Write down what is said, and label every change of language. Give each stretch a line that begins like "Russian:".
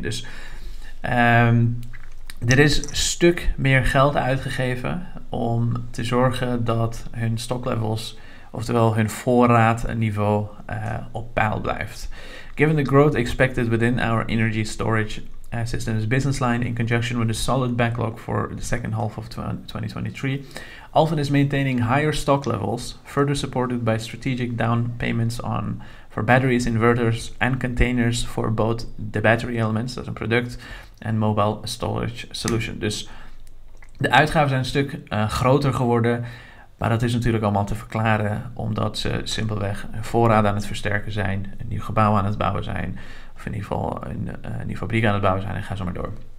Dutch: Dus er is een stuk meer geld uitgegeven om te zorgen dat hun stock levels, oftewel hun voorraadniveau, op peil blijft.
English: Given the growth expected within our energy storage Systems business line in conjunction with a solid backlog for the second half of 2023. Alfen is maintaining higher stock levels, further supported by strategic down payments on for batteries, inverters, and containers for both the battery elements as a product and mobile storage solution.
Dutch: Dus de uitgaven zijn een stuk groter geworden, maar dat is natuurlijk allemaal te verklaren omdat ze simpelweg voorraad aan het versterken zijn, een nieuw gebouw aan het bouwen zijn, of in ieder geval een nieuwe fabriek aan het bouwen zijn en ga zo maar door.